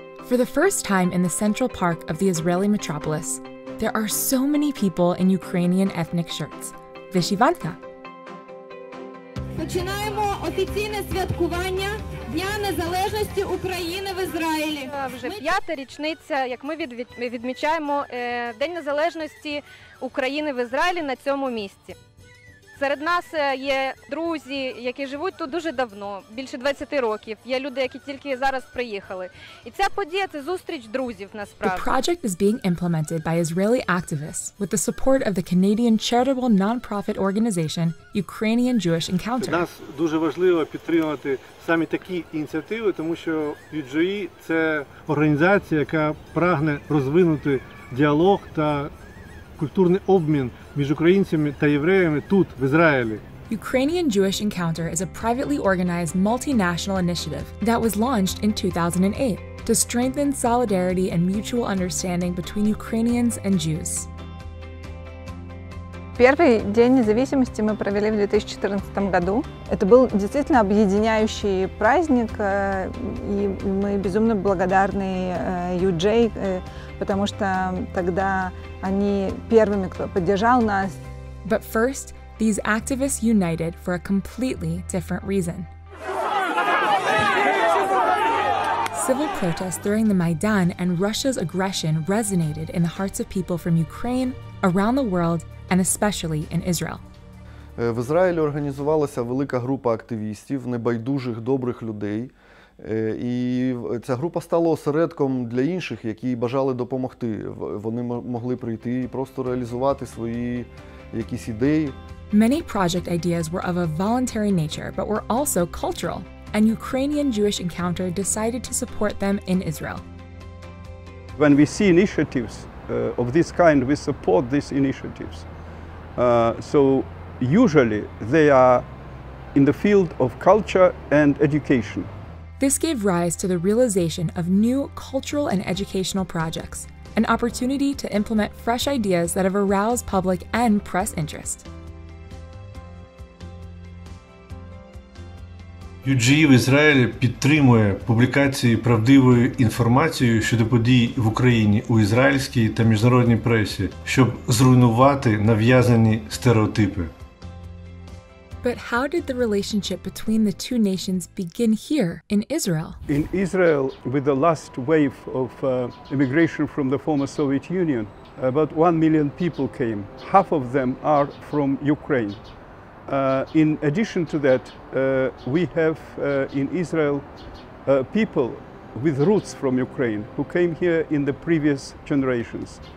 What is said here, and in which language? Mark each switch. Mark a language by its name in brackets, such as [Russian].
[English] For the first time in the central park of the Israeli metropolis, there are so many people in Ukrainian ethnic shirts. [Ukrainian] Вишиванка. Починаємо офіційне святкування Дня незалежності України в Ізраїлі. Вже п'ята річниця, як ми відмічаємо День незалежності України в Ізраїлі на цьому місці. Серед нас є друзі, які живуть тут дуже давно, більше 20 років. Є люди, які тільки зараз приїхали. І ця подія – це зустріч друзів, насправді. [English] The project is being implemented by Israeli activists with the support of the Canadian charitable non-profit organization Ukrainian Jewish Encounter. [Ukrainian] Нас дуже важливо підтримувати саме такі ініціативи, тому що UJE – це організація, яка прагне розвинути діалог та культурний обмін між українцями та євреями тут, в Ізраїлі. [English] Ukrainian Jewish Encounter is a privately organized multinational initiative that was launched in 2008 to strengthen solidarity and mutual understanding between Ukrainians and Jews. [Russian] Перший день независимости мы провели в 2014 году. Это был действительно объединяющий праздник, и мы безумно благодарны UJE, потому что тогда они первыми, кто поддержал нас. [English] But first, these activists united for a completely different reason. Civil protests during the Maidan and Russia's aggression resonated in the hearts of people from Ukraine, around the world, and especially in Israel. [Ukrainian] В Ізраїлі організувалася велика група активістів, небайдужих, добрих людей. І ця група стала осередком для інших, які бажали допомогти. Вони могли прийти і просто реалізувати свої якісь ідеї. [English] Many project ideas were of a voluntary nature, but were also cultural. And Ukrainian Jewish Encounter decided to support them in Israel. When we see initiatives of this kind, we support these initiatives. So usually they are in the field of culture and education. This gave rise to the realization of new cultural and educational projects, an opportunity to implement fresh ideas that have aroused public and press interest. [Ukrainian] UJE в Ізраїлі підтримує публікації правдивої інформації щодо подій в Україні у ізраїльській та міжнародній пресі, щоб зруйнувати нав'язані стереотипи. [English] But how did the relationship between the two nations begin here in Israel? In Israel, with the last wave of immigration from the former Soviet Union, about 1 million people came. Half of them are from Ukraine. In addition to that, we have in Israel people with roots from Ukraine who came here in the previous generations.